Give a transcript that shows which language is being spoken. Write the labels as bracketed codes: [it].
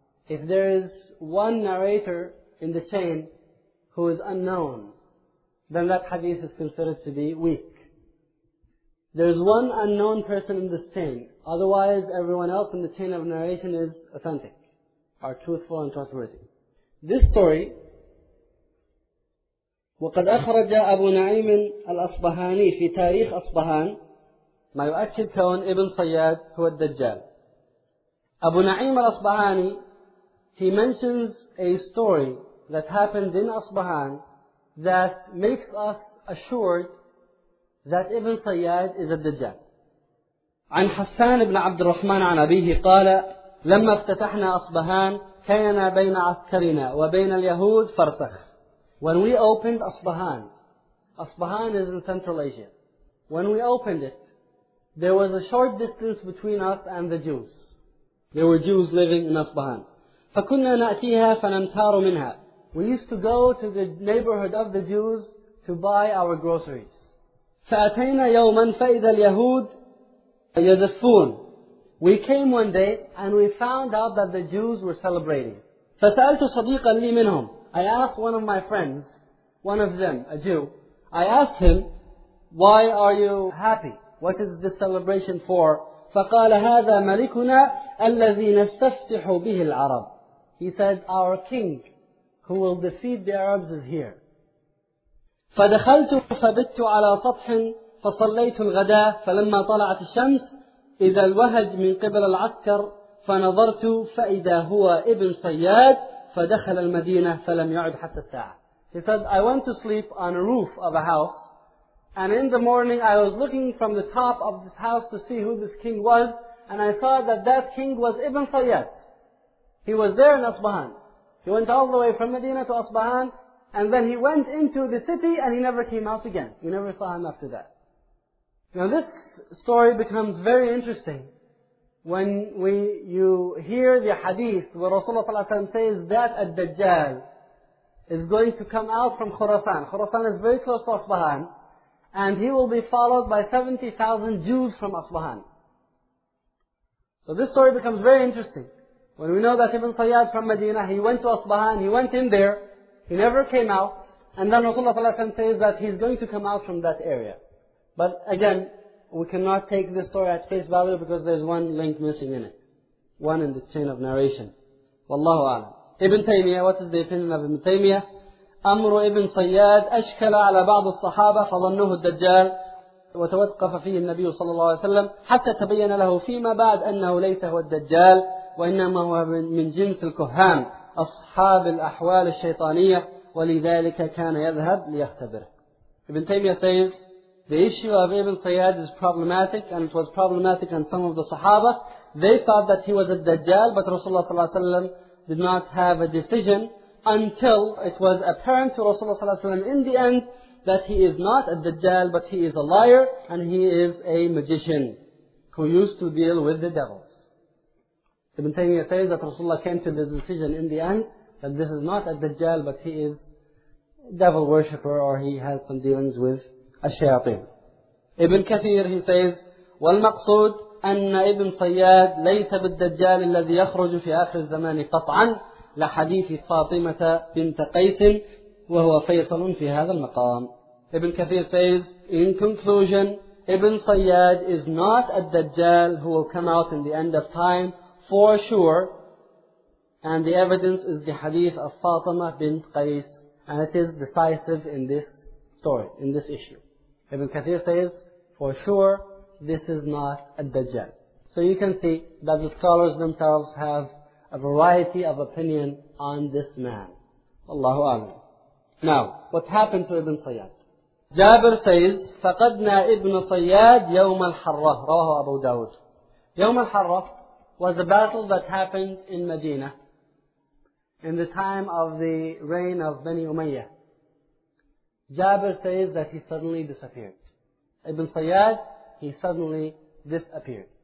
[en] If there is one narrator in the chain who is unknown, then that hadith is considered to be weak. There is one unknown person in this chain. Otherwise, everyone else in the chain of narration is authentic, are truthful and trustworthy. This story, [ar] وَقَدْ أَخْرَجَ أَبُو نَعِيمٍ الْأَصْبَحَانِي فِي تَارِيخ أَصْبَحَانِ مَا يُؤَكِّدْ كَوْنْ إِبْنْ صَيَّادْ هُوَ الدَّجَّالِ. [en] Abu Na'im al-Asbahani, he mentions a story that happened in Asbahan that makes us assured that Ibn Sayyad is a Dajjal. [ar] عن حسان بن عبد الرحمن عن أبيه قال لما افتتحنا أصبهان كان بين عسكرنا وبين اليهود فرسخ. [en] When we opened Asbahan, Asbahan is in Central Asia. When we opened it, there was a short distance between us and the Jews. There were Jews living in Asbahan. [ar] فكنا نأتيها فننتار منها. [en] We used to go to the neighborhood of the Jews to buy our groceries. [ar] فأتينا يوما فإذا اليهود يزفون. [en] We came one day and we found out that the Jews were celebrating. [ar] فسألت صديقا لي منهم. [en] I asked one of my friends, one of them, a Jew. I asked him, why are you happy? What is this celebration for? [ar] فقال هذا ملكنا الذي نستفتح به العرب. [en] He said, our king, who will defeat the Arabs is here. [ar] فدخلت فبت على سطح فصليت الغداء فلما طلعت الشمس إذا الوهج من قبل العسكر فنظرت فإذا هو ابن صياد فدخل المدينة فلم يعد حتى الساعة. [en] He said, I went to sleep on a roof of a house, and in the morning I was looking from the top of this house to see who this king was, and I saw that that king was Ibn Sayyad. He was there in Asbahan. He went all the way from Medina to Asbahan, and then he went into the city and he never came out again. You never saw him after that. Now this story becomes very interesting when you hear the hadith where Rasulullah ﷺ says that Ad-Dajjal is going to come out from Khurasan. Khurasan is very close to Asbahan, and he will be followed by 70,000 Jews from Asbahan. So this story becomes very interesting. When we know that Ibn Sayyad from Medina, he went to Asbahan, he went in there, he never came out, and then Rasulullah ﷺ says that he's going to come out from that area. But again, we cannot take this story at face value because there's one link missing in it. One in the chain of narration. Wallahu a'lam. Ibn Taymiyyah, what is the opinion of Ibn Taymiyyah? [ar] أمر ابن صياد أشكل على بعض الصحابة فظنوه الدجال وتوقف فيه النبي صلى الله عليه وسلم حتى تبين له فيما بعد أنه ليس هو الدجال وإنما هو من جنس الكهان أصحاب الأحوال الشيطانية ولذلك كان يذهب ليختبره. [en] Ibn Taymiyyah says, the issue of Ibn Sayyad is problematic, and it was problematic on some of the Sahaba. They thought that he was a Dajjal, but Rasulullah ﷺ did not have a decision until it was apparent to Rasulullah ﷺ in the end that he is not a Dajjal, but he is a liar, and he is a magician who used to deal with the devils. Ibn Taymiyyah says that Rasulullah came to the decision in the end that this is not a Dajjal, but he is a devil worshipper, or he has some dealings with الشياطين. Ibn Kathir, he says, [ar] والمقصود أن ابن صياد ليس بالدجال الذي يخرج في آخر الزمان قطعا لحديث فاطمة بنت قيس وهو فيصل في هذا المقام. [en] Ibn Kathir says, in conclusion, ابن صياد is not a Dajjal who will come out in the end of time for sure, and the evidence is the hadith of فاطمة بنت قيس, and it is decisive in this story, in this issue. Ibn Kathir says, for sure, this is not a Dajjal. So you can see that the scholars themselves have a variety of opinion on this man. Allahu A'lam. Now, what happened to Ibn Sayyad? Jabir says, [ar] فقدنا ابن صياد يوم الحرة. رواه أبو داود. [en] يوم الحرة was a battle that happened in Medina in the time of the reign of Bani Umayyah. Jabir says that he suddenly disappeared. Ibn Sayyad, he suddenly disappeared.